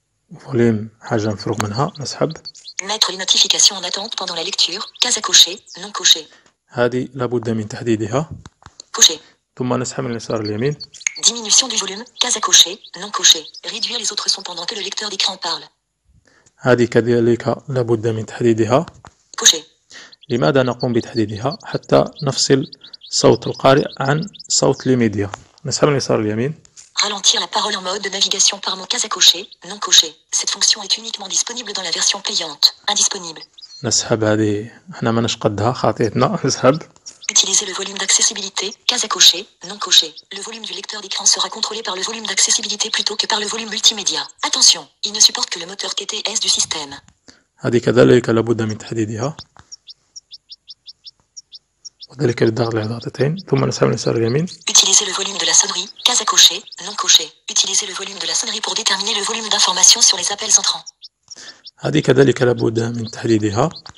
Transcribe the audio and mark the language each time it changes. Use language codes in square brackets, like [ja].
[ar] Volume حاجة نفرغ منها. نسحب. [fr] Mettre les notifications en attente pendant la lecture. Case à cocher. Non cocher. [ar] هذه لابد من تحديدها. [fr] Cocher. [ar] ثم نسحب من اليسار اليمين. [fr] Diminution du volume. Case à cocher. Non cocher. Réduire les autres sons pendant que le lecteur d'écran parle. [ar] هذه كذلك لابد من تحديدها. [fr] Cocher. [ar] لماذا نقوم بتحديدها؟ حتى نفصل صوت القارئ عن صوت الميديا. نسحب من اليسار اليمين. [fr] Ralentir la parole en mode de navigation par mot case à cocher, non coché. Cette fonction est uniquement disponible dans la version payante. Indisponible. [ar] نسحب هذه هنا ما نشقدها خطيتنا نسحب [fr] Utiliser le volume d'accessibilité, case à cocher, non coché. Le volume du lecteur d'écran sera contrôlé par le volume d'accessibilité plutôt que par le volume multimédia. Attention, il ne supporte que le moteur TTS du système. [ar] هذه كذلك لابد من تحديدها. وذلك للضغط على ضغطتين ثم نسحب اليسار اليمين. [fr] Utiliser le volume de la sonnerie, case à cocher, non coché. Utiliser le volume de la sonnerie pour déterminer le volume d'information sur les appels entrants. [ar] هذه كذلك لابد من تحديدها.